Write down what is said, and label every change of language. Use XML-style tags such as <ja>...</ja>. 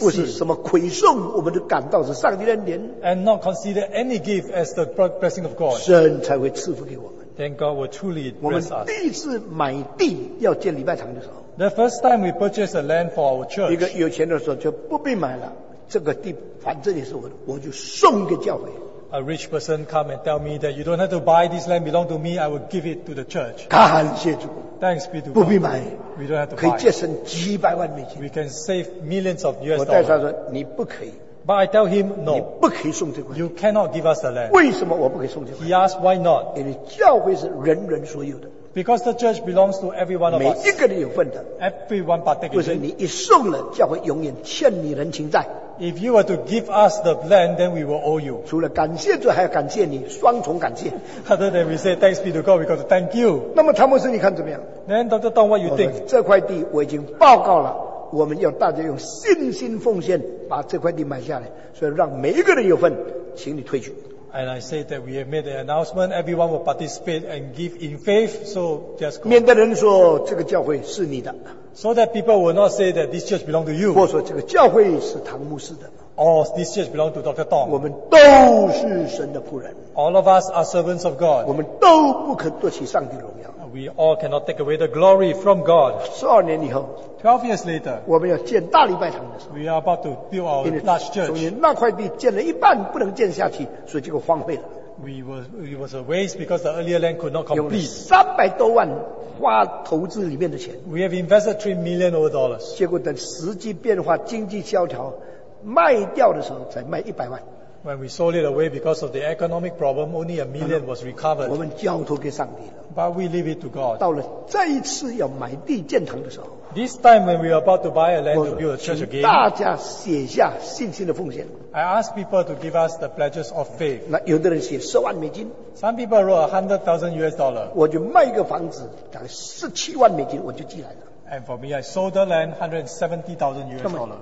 <zh>不是什么馈送，我们都感到是上帝的恩典。</zh> <en>And not consider any gift as the blessing of God.</en> <zh>神才会赐福给我们。</zh> <en>Then God will truly bless us.</en> <zh>我们第一次买地要建礼拜堂的时候。</zh> <en>The first time we purchased a land for our church.</en> <zh>一个有钱的时候就不必买了，这个地反正也是我的，我就送给教会。</zh> <en>A rich person come and tell me that you don't have to buy this land belong to me, I will give it to the church.</en> <zh>感谢主。</zh> <en>Thanks be to God.</en> <zh>不必买。</zh> <en>We don't have to buy.</en> <zh>可以节省几百万美金。</zh> <en>We can save millions of US</en> <zh>dollars. 我带他说你不可以。</zh> <en>But I tell him, no.</en> <zh>你不可以送这块。</zh> <en>You cannot give us the land.</en> <zh>为什么我不可以送这块？</zh> <en>He asked why not?</en> <zh>因为教会是人人所有的。</zh> <en>Because the church belongs to every one of us.</en> <zh>每一个人有份的。</zh> <en>Everyone particular.</en> <zh>不是你一送了，教会永远欠你人情债。</zh> <en>If you were to give us the land, then we will owe you.</en> <zh>除了感谢主，还要感谢你，双重感谢。</zh> <en>Other than we say thanks be to God, we got to thank you.</en> <zh>那么汤姆斯，你看怎么样？</zh> <en>Then Dr. Tom, what you think?</en> <zh>这块地我已经报告了，我们要大家用信心奉献把这块地买下来，所以让每一个人有份，请你退去。</zh> <en>And I say that we have made an announcement. Everyone will participate and give in faith. So just go.</en> <zh>免得人说这个教会是你的。</zh> <en>So that people will not say that this church belongs to you.</en> <zh>或说这个教会是唐牧师的。</zh> <en>Or this church belongs to Dr. Tong.</en> <zh>我们都是神的仆人。</zh> <en>All of us are servants of God.</en> <zh>我们都不可夺取上帝荣耀。</zh> <en>We all cannot take away the glory from God.</en> <zh>12年以后。</zh> <en>12 years later.</en> <zh>我们要建大礼拜堂的时候。</zh> <en>We are about to build our large church.</en> <zh>因为那块地建了一半不能建下去，所以这个荒废了。</zh> <en>It was a waste because the earlier land could not complete.</en> <zh>三百多万花投资里面的钱。</zh> <en>We have invested $3 million over dollars.</en> <zh>结果等时机变化，经济萧条，卖掉的时候才卖一百万。</zh> <en>When we sold it away because of the economic problem, only $1 million was recovered.</en> <zh>我们交托给上帝了。</zh> <en>But we leave it to God.</en> <zh>到了再一次要买地建堂的时候。</zh> <en>This time when we are about to buy a land to build a church again,</en> <zh>大家写下信心的奉献。</zh> <en>I ask people to give us the pledges of faith.</en> <zh>那有的人写十万美金。</zh> <en>Some people wrote $100,000.</en> <zh>我就卖一个房子，大概17万美金，我就寄来了。</zh> <en>And for me, I sold the land $170,000.</en>